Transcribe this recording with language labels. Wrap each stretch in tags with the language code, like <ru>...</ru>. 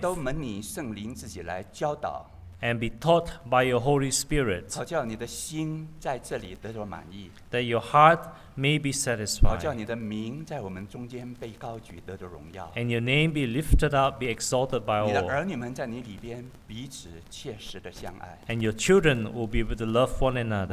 <zh>都蒙你圣灵自己来教导。</zh> <en>And be taught by your Holy Spirit.</en> <zh>好叫你的心在这里得着满意。</zh> <en>That your heart may be satisfied.</en> <zh>好叫你的名在我们中间被高举得着荣耀。</zh> <en>And your name be lifted up, be exalted by all.</en> <zh>你的儿女们在你里边彼此切实的相爱。</zh> <en>And your children will be able to love one another.</en>